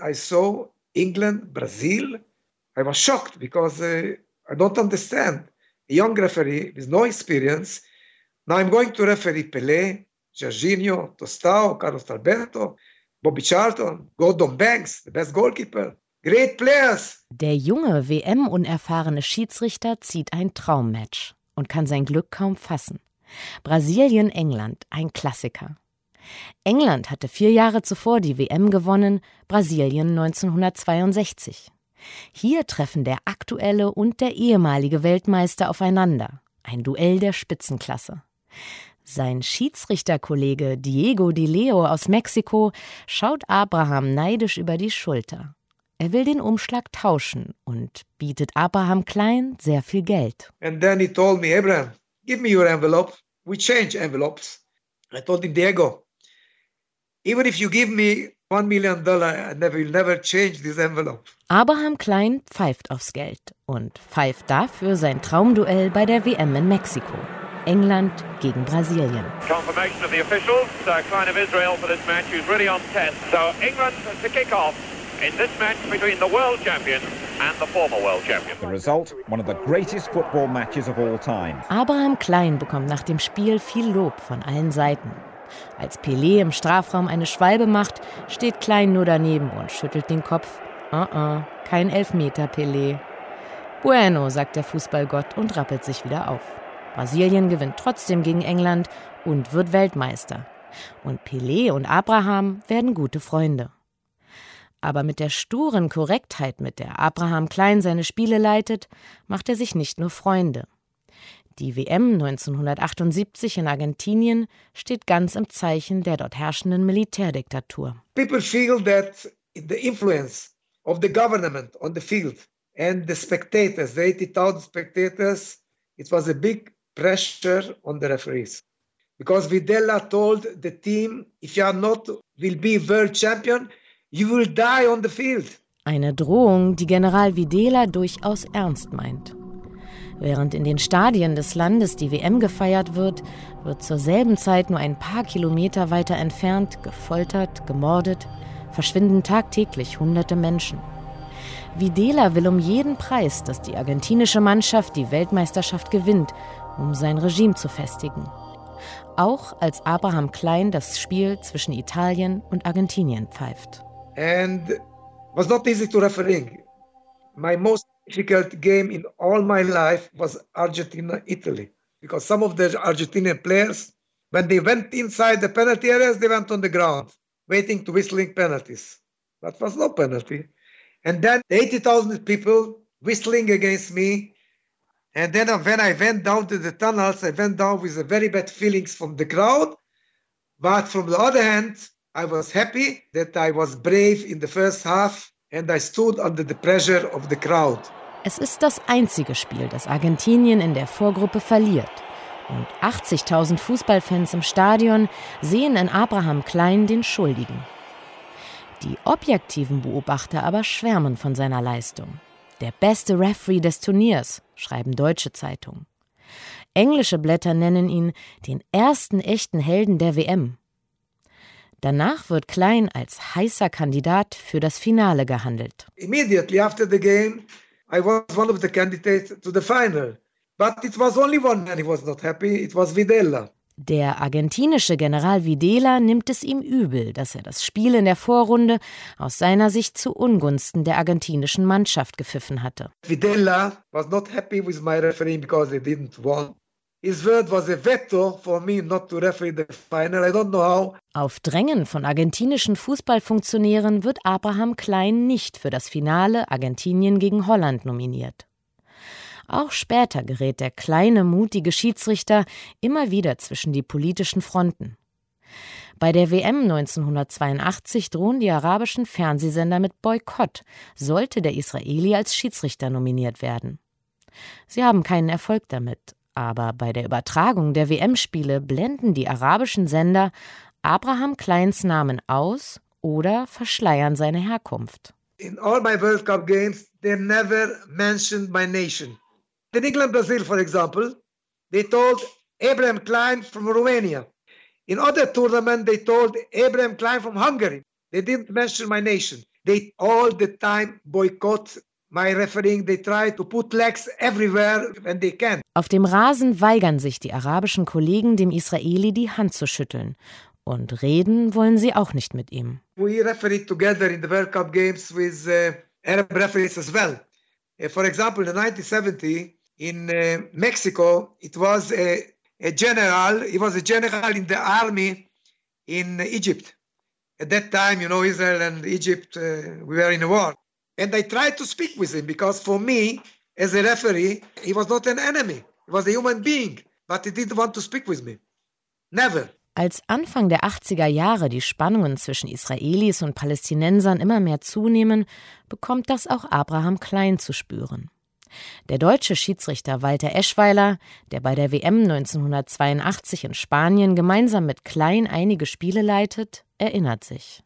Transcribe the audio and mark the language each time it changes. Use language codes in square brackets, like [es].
[en] I saw England, Brazil. I was shocked because I don't understand. A young referee with no experience. Now I'm going to referee Pelé, Jorginho, Tostão, Carlos Alberto, Bobby Charlton, Gordon Banks, the best goalkeeper. Great players. [de] Der junge, WM-unerfahrene Schiedsrichter zieht ein Traummatch und kann sein Glück kaum fassen. Brasilien-England, ein Klassiker. England hatte 4 Jahre zuvor die WM gewonnen, Brasilien 1962. Hier treffen der aktuelle und der ehemalige Weltmeister aufeinander. Ein Duell der Spitzenklasse. Sein Schiedsrichterkollege Diego Di Leo aus Mexiko schaut Abraham neidisch über die Schulter. Er will den Umschlag tauschen und bietet Abraham Klein sehr viel Geld. [en] And then he told me, Abraham, give me your envelope. We change envelopes. I told him, Diego, even if you give me $1 million, I will never change this envelope. [de] Abraham Klein pfeift aufs Geld und pfeift dafür sein Traumduell bei der WM in Mexiko. England gegen Brasilien. [en] Confirmation of the officials. Klein of Israel for this match is really on test. So England to kick off. In this match between the world champion and the former world champion. The result, one of the greatest football matches of all time. [de] Abraham Klein bekommt nach dem Spiel viel Lob von allen Seiten. Als Pelé im Strafraum eine Schwalbe macht, steht Klein nur daneben und schüttelt den Kopf. Kein Elfmeter, Pelé. Bueno, sagt der Fußballgott und rappelt sich wieder auf. Brasilien gewinnt trotzdem gegen England und wird Weltmeister. Und Pelé und Abraham werden gute Freunde. Aber mit der sturen Korrektheit, mit der Abraham Klein seine Spiele leitet, macht er sich nicht nur Freunde. Die WM 1978 in Argentinien steht ganz im Zeichen der dort herrschenden Militärdiktatur. [en] People feel that the influence of the government on the field and the spectators, the 80,000 spectators, it was a big pressure on the referees. Because Videla told the team, if you are not, will be world champion, you will die on the field. [de] Eine Drohung, die General Videla durchaus ernst meint. Während in den Stadien des Landes die WM gefeiert wird, wird zur selben Zeit nur ein paar Kilometer weiter entfernt, gefoltert, gemordet, verschwinden tagtäglich hunderte Menschen. Videla will um jeden Preis, dass die argentinische Mannschaft die Weltmeisterschaft gewinnt, um sein Regime zu festigen. Auch als Abraham Klein das Spiel zwischen Italien und Argentinien pfeift. [en] And was not easy to referee. My most difficult game in all my life was Argentina-Italy, because some of the Argentinian players, when they went inside the penalty areas, they went on the ground, waiting to whistling penalties. That was no penalty. And then 80,000 people whistling against me. And then when I went down to the tunnels, I went down with a very bad feelings from the crowd. But from the other hand, I was happy that I was brave in the first half and I stood under the pressure of the crowd. [de] Es ist das einzige Spiel, das Argentinien in der Vorgruppe verliert. Und 80.000 Fußballfans im Stadion sehen in Abraham Klein den Schuldigen. Die objektiven Beobachter aber schwärmen von seiner Leistung. Der beste Referee des Turniers, schreiben deutsche Zeitungen. Englische Blätter nennen ihn den ersten echten Helden der WM. Danach wird Klein als heißer Kandidat für das Finale gehandelt. [en] Immediately after the game, I was one of the candidates to the final. But it was only one man who was not happy, it was Videla. [de] Der argentinische General Videla nimmt es ihm übel, dass er das Spiel in der Vorrunde aus seiner Sicht zu Ungunsten der argentinischen Mannschaft gepfiffen hatte. [en] Videla was not happy with my referee because he didn't want. His word was a veto for me not to referee the final. I don't know how. [de] Auf Drängen von argentinischen Fußballfunktionären wird Abraham Klein nicht für das Finale Argentinien gegen Holland nominiert. Auch später gerät der kleine, mutige Schiedsrichter immer wieder zwischen die politischen Fronten. Bei der WM 1982 drohen die arabischen Fernsehsender mit Boykott, sollte der Israeli als Schiedsrichter nominiert werden. Sie haben keinen Erfolg damit, aber bei der Übertragung der WM-Spiele blenden die arabischen Sender Abraham Kleins Namen aus oder verschleiern seine Herkunft. [en] In all my World Cup games, they never mentioned my nation. In England, Brazil, for example, they told Abraham Klein from Romania. In other tournaments, they told Abraham Klein from Hungary. They didn't mention my nation. They all the time boycott my refereeing. They try to put legs everywhere when they can. [de] Auf dem Rasen weigern sich die arabischen Kollegen, dem Israeli die Hand zu schütteln. Und reden wollen sie auch nicht mit ihm. [en] We refereed together in the World Cup games with Arab referees as well. For example, in 1970, in Mexico, it was a general. He was a general in the army in Egypt. At that time, you know, Israel and Egypt, we were in a war. And I tried to speak with him because for me, as a referee, he was not an enemy. He was a human being, but he didn't want to speak with me. Never. [de] Als Anfang der 80er Jahre die Spannungen zwischen Israelis und Palästinensern immer mehr zunehmen, bekommt das auch Abraham Klein zu spüren. Der deutsche Schiedsrichter Walter Eschweiler, der bei der WM 1982 in Spanien gemeinsam mit Klein einige Spiele leitet, erinnert sich.